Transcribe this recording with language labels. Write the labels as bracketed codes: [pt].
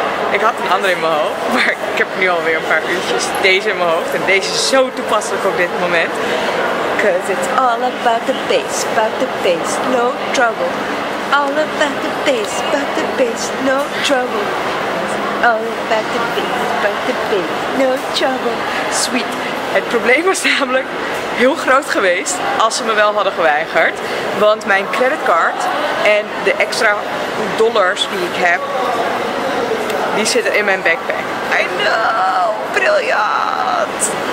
[nl] Ik had een andere in mijn hoofd, maar ik heb nu alweer een paar uurtjes deze in mijn hoofd. En deze is zo toepasselijk op dit moment. [en] Cause it's all about the bass, no trouble. All about the bass, no trouble. All about the bass, no trouble. Sweet. [nl] Het probleem was namelijk heel groot geweest als ze me wel hadden geweigerd. Want mijn creditcard en de extra dollars die ik heb, die zitten in mijn backpack. [en] I know, briljant!